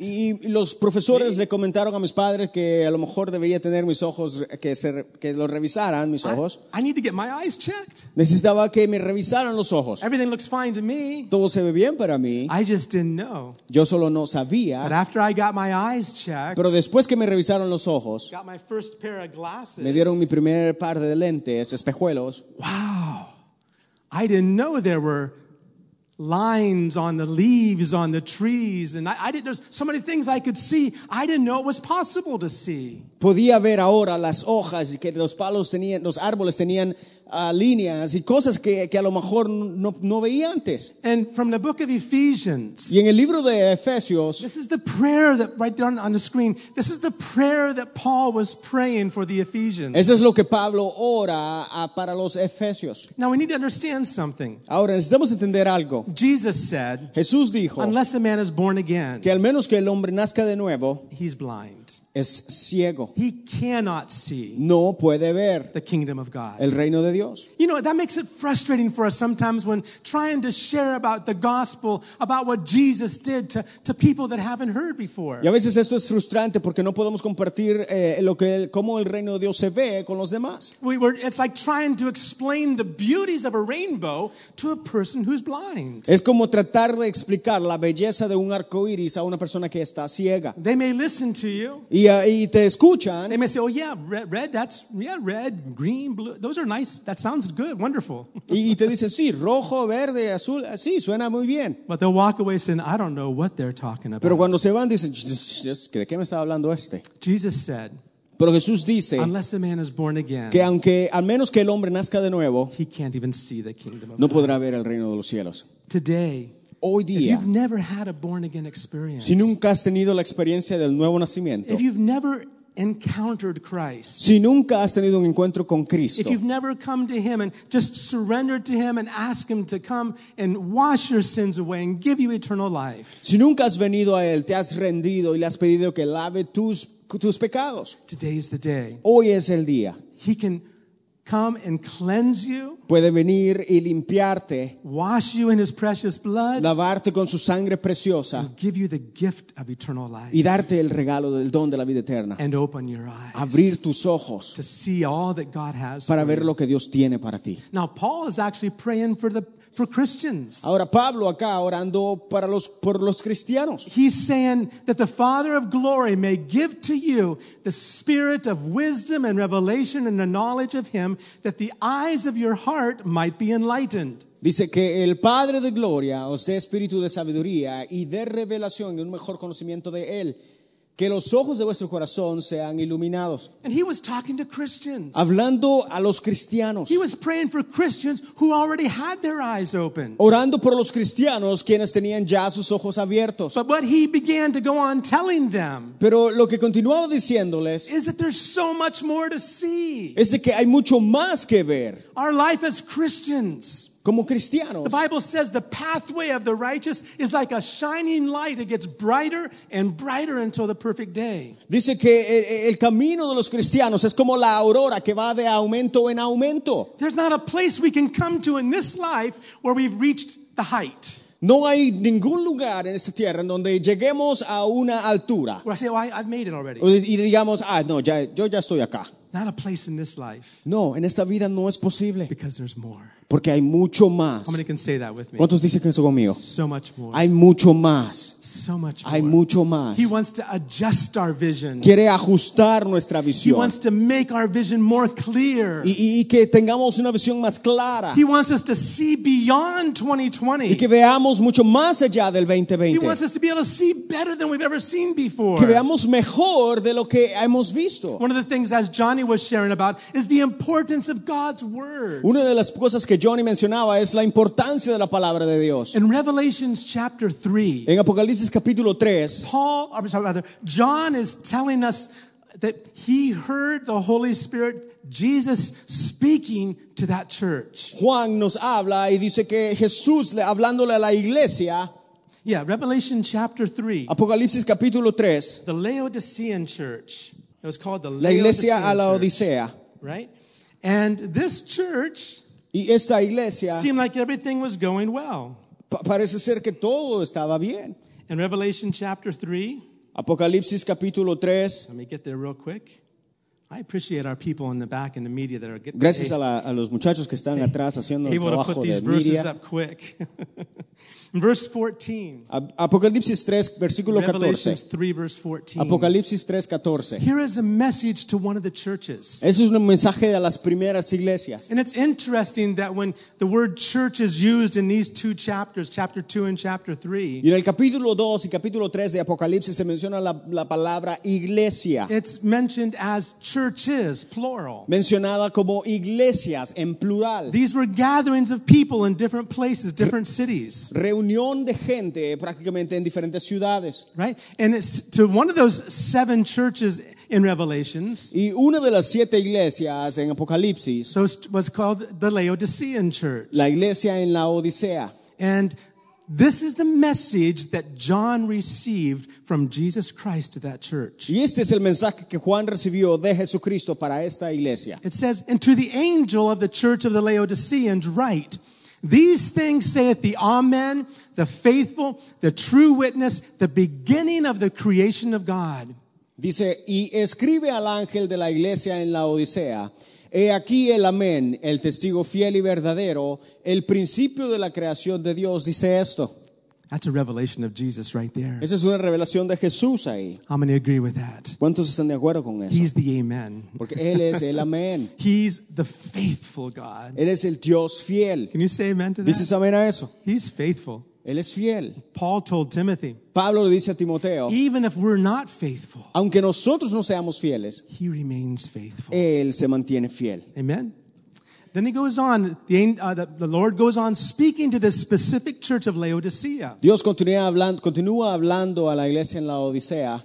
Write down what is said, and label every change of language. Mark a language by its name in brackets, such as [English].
[Spanish] Y los profesores le comentaron a mis padres que a lo mejor debería tener mis ojos, que los revisaran mis ojos. [English] I need to get my eyes checked. [Spanish] Necesitaba que me revisaran los ojos. [English] Everything looks fine to me. [Spanish] Todo se ve bien para mí. [English] I just didn't know. [Spanish] Yo solo no sabía. [English] But after I got my eyes checked, [Spanish] pero después que me revisaron los ojos, [English] got my first pair of glasses, [Spanish] me dieron mi primer par de lentes, espejuelos. [English] Wow. I didn't know there were lines on the leaves on the trees, and I didn't. There's so many things I could see. I didn't know it was possible to see. [Spanish] Podía ver ahora las hojas y que los palos tenían, los árboles tenían líneas y cosas que a lo mejor no veía antes. [English] And from the book of Ephesians. [Spanish] Y en el libro de Efesios. [English] This is the prayer that right there on the screen. This is the prayer that Paul was praying for the Ephesians. [Spanish] Eso es lo que Pablo ora para los Efesios. [English] Now we need to understand something. [Spanish] Ahora necesitamos entender algo. [English] Jesus said. [Spanish] Jesús dijo. [English] Unless a man is born again. [Spanish] Que al menos que el hombre nazca de nuevo. [English] He's blind. [Spanish] Es ciego. [English] He cannot see. [Spanish] No puede ver. [English] The kingdom of God. [Spanish] El reino de Dios. [English] You know, that makes it frustrating for us sometimes when trying to share about the gospel, about what Jesus did to people that haven't heard before. [Spanish] Y a veces esto es frustrante porque no podemos compartir cómo el reino de Dios se ve con los demás. [English] It's like trying to explain the beauties of a rainbow to a person who's blind. [Spanish] Es como tratar de explicar la belleza de un arco iris a una persona que está ciega. [English] They may listen to you. [Spanish] Y te escuchan. [English] They may say, "Oh yeah, red. That's yeah, red, green, blue. Those are nice. That sounds good. Wonderful." [Spanish] Y te dicen, sí, rojo, verde, azul. Sí, suena muy bien. [English] But they'll walk away saying, "I don't know what they're talking about." [Spanish] Pero cuando se van dicen, ¿de qué me está hablando este? [English] Jesus said. [Spanish] Pero Jesús dice. [English] Unless a man is born again. [Spanish] Que aunque al menos que el hombre nazca de nuevo. [English] He can't even see the kingdom of God. [Spanish] No podrá ver el reino de los cielos. [English] Today. [Spanish] Hoy día, [English] if you've never had a born again experience, [Spanish] si nunca has tenido la experiencia del nuevo nacimiento, [English] if you've never encountered Christ, [Spanish] si nunca has tenido un encuentro con Cristo, [English] if you've never come to him and just surrendered to him and ask him to come and wash your sins away and give you eternal life, [Spanish] si nunca has venido a él, te has rendido y le has pedido que lave tus pecados, [English] today is the day. [Spanish] Hoy es el día. [English] He can come and cleanse you. [Spanish] Puede venir y limpiarte. [English] Wash you in his precious blood. [Spanish] Lavarte con su sangre preciosa. [English] And give you the gift of eternal life. [Spanish] Y darte el regalo del don de la vida eterna. [English] And open your eyes. [Spanish] Abrir tus ojos. [English] To see all that God has. [Spanish] Para [English] for [Spanish] ver [English] you. [Spanish] Lo que Dios tiene para ti. [English] Now Paul is actually praying for Christians. [Spanish] Ahora Pablo acá orando para los por los cristianos. [English] He's saying that the Father of glory may give to you the spirit of wisdom and revelation and the knowledge of him, that the eyes of your heart might be enlightened. [Spanish] Dice que el Padre de gloria os dé espíritu de sabiduría y de revelación y un mejor conocimiento de él, que los ojos de vuestro corazón sean iluminados. [English] And he was talking to Christians. [Spanish] Hablando a los cristianos. [English] He was praying for Christians who already had their eyes open. [Spanish] Orando por los cristianos quienes tenían ya sus ojos abiertos. [English] But what he began to go on telling them. [Spanish] Pero lo que continuaba diciéndoles. [English] Is that there's so much more to see. [Spanish] Es de que hay mucho más que ver. [English] Our life as Christians. [Spanish] Como cristianos. [English] The Bible says the pathway of the righteous is like a shining light. It gets brighter and brighter until the perfect day. [Spanish] Dice que el camino de los cristianos es como la aurora que va de aumento en aumento. [English] There's not a place we can come to in this life where we've reached the height. [Spanish] No hay ningún lugar en esta tierra en donde lleguemos a una altura. [English] Where I say, oh, I've made it already. [Spanish] Y digamos, ah, no, ya, yo ya estoy acá. [English] Not a place in this life. [Spanish] No, en esta vida no es posible. [English] Because there's more. [Spanish] Porque hay mucho más. [English] How many can say that with me? [Spanish] ¿Cuántos dicen eso conmigo? [English] So much more. [Spanish] Hay mucho más. [English] So much more. [Spanish] Hay mucho más. [English] He wants to adjust our vision. [Spanish] Quiere ajustar nuestra visión. [English] He wants to make our vision more clear. [Spanish] Y que tengamos una visión más clara. [English] He wants us to see beyond 2020. [Spanish] Y que veamos mucho más allá del 2020. [English] He wants us to be able to see better than we've ever seen before. [Spanish] Que veamos mejor de lo que hemos visto. [English] One of the things that Johnny was sharing about is the importance of God's word. [Spanish] Una de las cosas que Johnny mencionaba es la importancia de la palabra de Dios. [English] In Revelations chapter 3. [Spanish] En Apocalipsis capítulo 3. [English] John is telling us that he heard the Holy Spirit, Jesus, speaking to that church. [Spanish] Juan nos habla y dice que Jesús hablándole a la iglesia. [English] Yeah, Revelation chapter 3. [Spanish] Apocalipsis capítulo 3. [English] The Laodicean church. It was called the [Spanish] La iglesia a la Odisea. [English] Church, right? And this church. [Spanish] Y esta iglesia [English] seemed like everything was going well. [Spanish] Parece ser que todo estaba bien. [English] In Revelation chapter 3. [Spanish] Apocalipsis capítulo 3. [English] Let me get there real quick. I appreciate our people in the back in the media that are getting. [Spanish] Gracias a los muchachos que están atrás haciendo el trabajo de media. [English] Able to put these verses up quick. Verse 14. [Spanish] Apocalipsis 3, versículo 14. [English] Revelation 3, verse 14. [Spanish] Apocalipsis 3, 14. [English] Here is a message to one of the churches. [Spanish] Eso es un mensaje de las primeras iglesias. [English] And it's interesting that when the word church is used in these two chapters, chapter 2 and chapter 3. [Spanish] Y en el capítulo 2 y capítulo 3 de Apocalipsis se menciona la palabra iglesia. [English] It's mentioned as churches, plural. [Spanish] Mencionada como iglesias, en plural. [English] These were gatherings of people in different places, different cities. [Spanish] Reunión de gente prácticamente en diferentes ciudades. [English] Right? And it's to one of those seven churches in Revelations. [Spanish] Y una de las siete iglesias en Apocalipsis. [English] So it was called the Laodicean church. [Spanish] La iglesia en la Odisea. [English] And this is the message that John received from Jesus Christ to that church. [Spanish] Y este es el mensaje que Juan recibió de Jesucristo para esta iglesia. [English] It says, and to the angel of the church of the Laodiceans write, these things saith the Amen, the faithful, the true witness, the beginning of the creation of God. [Spanish] Dice, y escribe al ángel de la iglesia en la Odisea, he aquí el Amén, el testigo fiel y verdadero, el principio de la creación de Dios, dice esto. [English] That's a revelation of Jesus right there. [Spanish] Esa es una revelación de Jesús ahí. [English] How many agree with that? [Spanish] ¿Cuántos están de acuerdo con eso? [English] He's the Amen. [Spanish] Porque él es el Amén. [English] He's the faithful God. [Spanish] Él es el Dios fiel. [English] Can you say amen to that? [Spanish] ¿Dices amén a eso? [English] He's faithful. [Spanish] Él es fiel. [English] Paul told Timothy. [Spanish] Pablo le dice a Timoteo. [English] Even if we're not faithful. [Spanish] Aunque nosotros no seamos fieles. [English] He remains faithful. [Spanish] Él se mantiene fiel. [English] Amen. Then he goes on, the Lord goes on speaking to this specific church of Laodicea. [Spanish] Dios continúa hablando a la iglesia en Laodicea.